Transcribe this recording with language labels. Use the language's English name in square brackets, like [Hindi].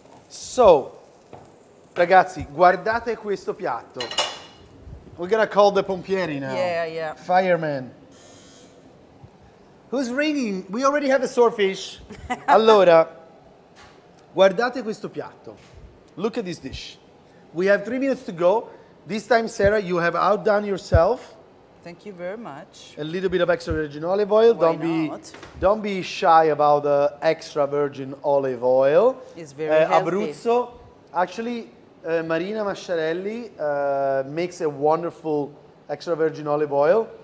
[Italian] So, ragazzi, guardate questo piatto. [English] We're gonna call the pompieri now. Yeah. Fireman. Who's ringing? We already have a swordfish. [Italian] Allora, guardate questo piatto. [English] Look at this dish. We have 3 minutes to go. This time, Sara, you have outdone yourself. Thank you very much. A little bit of extra virgin olive oil. Don't be shy about the extra virgin olive oil. It's very healthy. Abruzzo. Actually, Marina Masciarelli makes a wonderful extra virgin olive oil.